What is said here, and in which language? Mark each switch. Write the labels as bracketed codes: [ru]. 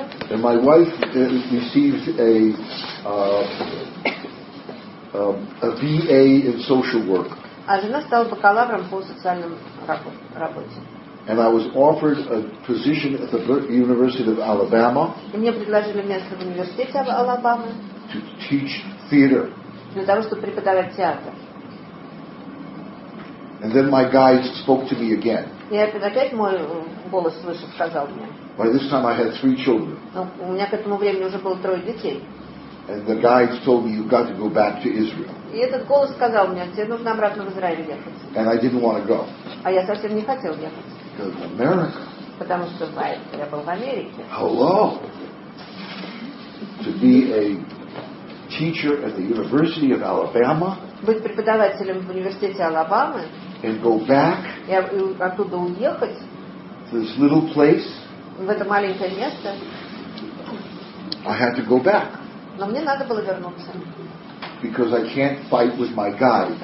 [en] And my wife received a BA in social work. And I was offered a position at the University of Alabama. [ru] Мне предложили место в университете Алабамы. [en] To teach theater. [ru] Для того, чтобы преподавать театр. [en] And then my guides spoke to me again. [ru] И опять мой голос слышал, сказал мне. [en] By this time I had 3 children. [ru] У меня к этому времени уже было 3 детей. [en] And the guides told me you've got to go back to Israel. [ru] И этот голос сказал мне, тебе нужно обратно в Израиль ехать. [en] And I didn't want to go. [ru] А я совсем не хотел ехать. [en] America. [ru] Потому что я был в Америке. [en] Hello. To be a teacher at the University of Alabama. [ru] Быть преподавателем в университете Алабамы. [en] And go back. [ru] И оттуда уехать. [en] This little place. [ru] В это маленькое место. [en] I had to go back. [ru] Но мне надо было вернуться. [en] Because I can't fight with my guides.